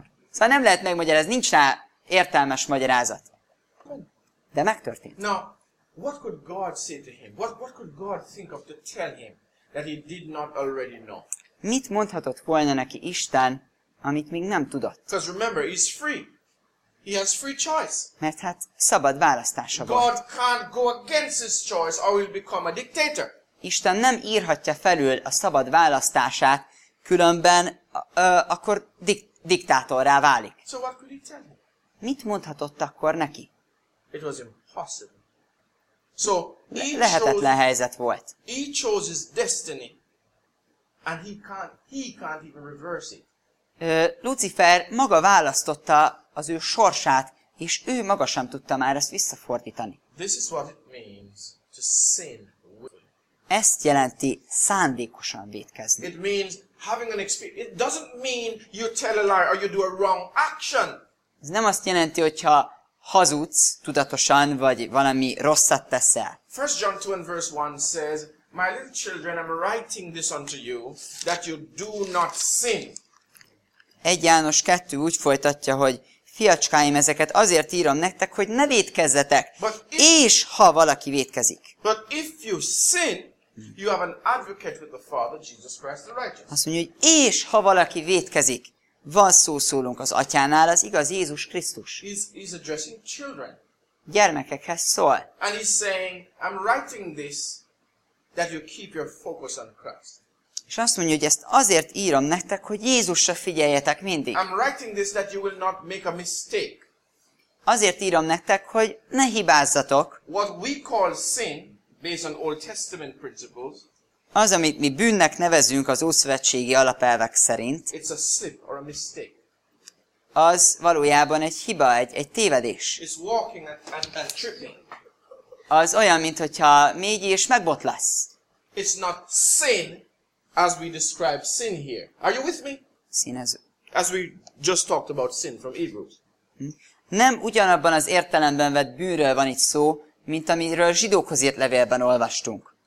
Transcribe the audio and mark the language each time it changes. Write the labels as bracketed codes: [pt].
[hu] Szóval nem lehet megmagyarázni, nincs rá értelmes magyarázat. De megtörtént. [en] Now, what could God say to him? What could God think of to tell him that he did not already know? [hu] Mit mondhatott volna neki Isten, amit még nem tudott? [en] Because remember, he's free. He has free choice. [hu] Mert hát szabad választása volt. [en] God can't go against his choice or he'll become a dictator. [hu] Isten nem írhatja felül a szabad választását, különben akkor diktátorrá válik. [en] So what could he tell him? [hu] Mit mondhatott akkor neki? [en] It was impossible. So [hu] lehetetlen helyzet volt. [en] He chose his destiny, and he can't even reverse it. [hu] Lucifer maga választotta az ő sorsát, és ő maga sem tudta már ezt visszafordítani. [en] This is what it means to sin. [hu] Ezt jelenti szándékosan vétkezni. [en] It means having an experience. It doesn't mean you tell a lie or you do a wrong action. [hu] Ez nem azt jelenti, hogyha hazudsz tudatosan, vagy valami rosszat teszel. [en] 1 John 2 and verse 1 says, my little children, I'm writing this unto you, that you do not sin. [hu] 1 János 2 úgy folytatja, hogy fiacskáim, ezeket azért írom nektek, hogy ne vétkezzetek, és ha valaki vétkezik. [en] But if you sin, you have an advocate with the Father, Jesus Christ the righteous. [hu] Azt mondja, hogy és ha valaki vétkezik, van szólunk az atyánál, az igaz Jézus Krisztus. [en] He's addressing children. [hu] Gyermekekhez szól. [en] And he's saying, I'm writing this, that you keep your focus on Christ. [hu] És azt mondja, hogy ezt azért írom nektek, hogy Jézusra figyeljetek mindig. [en] I'm writing this that you will not make a mistake. [hu] Azért írom nektek, hogy ne hibázzatok. [en] What we call sin, based on Old Testament principles, [hu] az, amit mi bűnnek nevezünk az ószövetségi alapelvek szerint, [en] it's a slip or a mistake. [hu] az valójában egy hiba, egy tévedés. [en] It's walking and tripping. [hu] Az olyan, mintha mégy és megbotlasz. [en] It's not sin as we describe sin here. Are you with me? [hu] Sin az. [en] As we just talked about sin from Hebrews. [hu] Nem ugyanabban az értelemben vett bűnről van itt szó, mint amiről a zsidókhoz írt levélben olvastunk.